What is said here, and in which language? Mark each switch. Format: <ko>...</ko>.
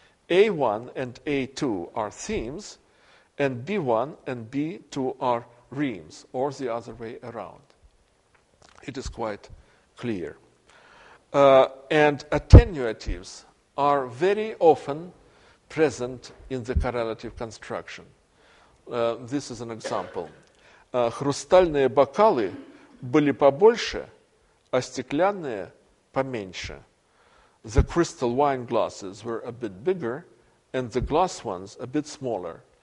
<en>A1 and A2 are themes, and B1 and B2 are reams, or the other way around. It is quite clear. And attenuatives are very often present in the correlative construction. This is an example.</en> <ru>Хрустальные бокалы были побольше, а стеклянные поменьше.</ru> <en>The crystal wine glasses were a bit bigger and the glass ones a bit smaller.</en>